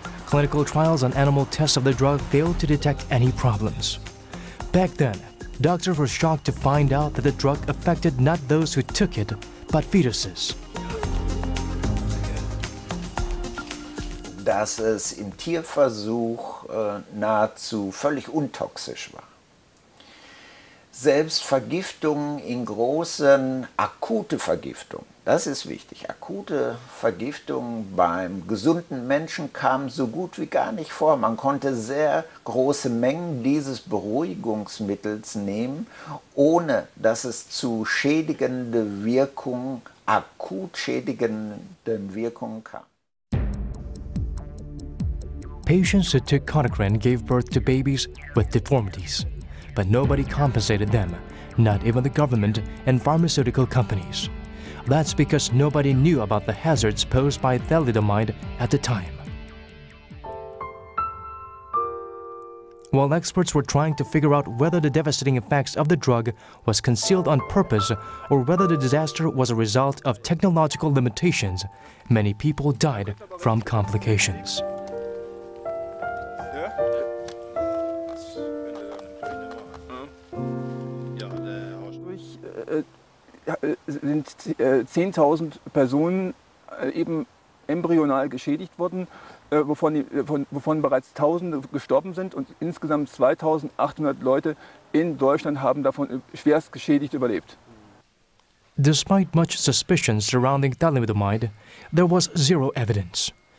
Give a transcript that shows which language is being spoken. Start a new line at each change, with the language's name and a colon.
English: Clinical trials and animal tests of the drug failed to detect any problems. Back then, Doctors were shocked to find out that the drug affected not those who took it, but fetuses.
German: Dass es im Tierversuch nahezu völlig untoxisch war. Selbst Vergiftungen in großen, akute Vergiftungen, das ist wichtig, akute Vergiftungen beim gesunden Menschen kamen so gut wie gar nicht vor. Man konnte sehr große Mengen dieses Beruhigungsmittels nehmen, ohne dass es zu schädigenden Wirkungen, akut schädigenden Wirkungen kam.
English: Patients who took conocrine gave birth to babies with deformities. But nobody compensated them, not even the government and pharmaceutical companies. That's because nobody knew about the hazards posed by thalidomide at the time. While experts were trying to figure out whether the devastating effects of the drug was concealed on purpose or whether the disaster was a result of technological limitations, many people died from complications.
German: Sind 10.000 Personen eben embryonal geschädigt worden, wovon bereits Tausende gestorben sind und insgesamt 2.800 Leute in Deutschland haben davon schwerst geschädigt überlebt.
English: Despite much suspicion surrounding thalidomide, there was zero evidence.